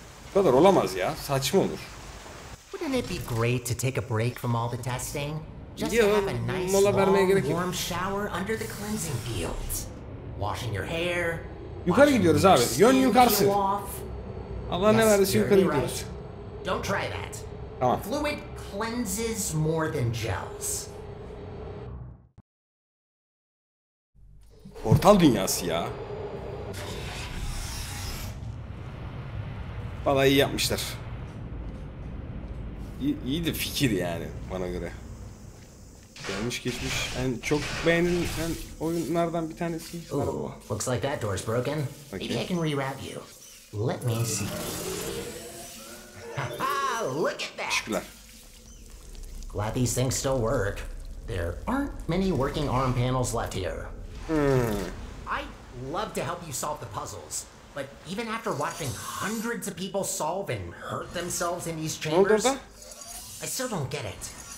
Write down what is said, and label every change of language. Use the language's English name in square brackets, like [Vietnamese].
[Turkish] Bu kadar olamaz ya, saçma olur. [English] Wouldn't it be great to take a break from all the testing? Just to have a nice, [Turkish] mola vermeye gerek [English] yok. Warm shower under the cleansing field. Washing your hair. [Turkish] Yukarı gidiyoruz abi. Yön yukarısı. Allah ne verdiyse yukarı gidiyoruz. [English] Don't try that. [Turkish] Tamam. [English] Fluid cleanses more than gels. [Turkish] Portal dünyası ya. Vallahi iyi yapmışlar. İyi de fikir yani bana göre. Gelmiş geçmiş en çok beğenilen oyunlardan bir tanesi. [English] Ooh, looks like that door's broken. Okay. Maybe I can rewrap you. Let me see. Ha look at that. [Turkish] Şükürler. [English] Glad these things still work. There aren't many working arm panels left here. I'd love to help you solve the puzzles, but even after watching hundreds of people solve and hurt themselves in these chambers, I still don't get it.